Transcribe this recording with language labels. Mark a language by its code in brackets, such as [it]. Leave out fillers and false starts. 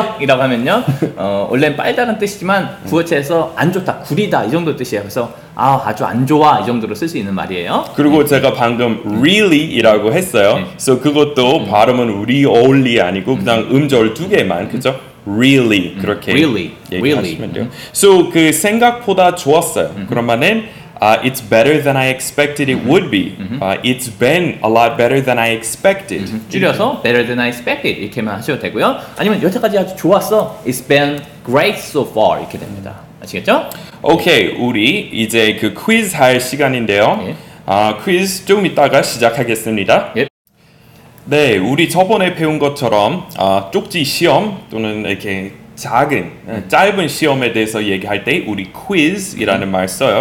[ko] suck이라고 하면요, 원래는 빨다는 뜻이지만 구어체에서 안 좋다, 구리다 이 정도 뜻이에요. 그래서 아 아주 안 좋아 이 정도로 쓸 수 있는 말이에요. 그리고 제가 방금 really이라고 했어요. 네. So 그것도 발음은 really 아니고 그냥 음절 두 개만 그죠? Really 그렇게 [en] really [ko] 얘기하시면 really. 돼요. So 그 생각보다 좋았어요. 그러면은 [en] it's better than I expected it would be. It's been a lot better than I expected. [ko] 줄여서 [en] better than I expected [ko] 이렇게만 하셔도 되고요. 아니면 여태까지 아주 좋았어. [en] It's been great so far [ko] 이렇게 됩니다. 아시겠죠? 오케이, 우리 이제 그 퀴즈 할 시간인데요. 퀴즈 조금 이따가 시작하겠습니다. [en] Yep. [ko] 네, 우리 저번에 배운 것처럼 쪽지 시험 또는 이렇게 작은, 짧은 시험에 대해서 얘기할 때 우리 quiz이라는 말 써요.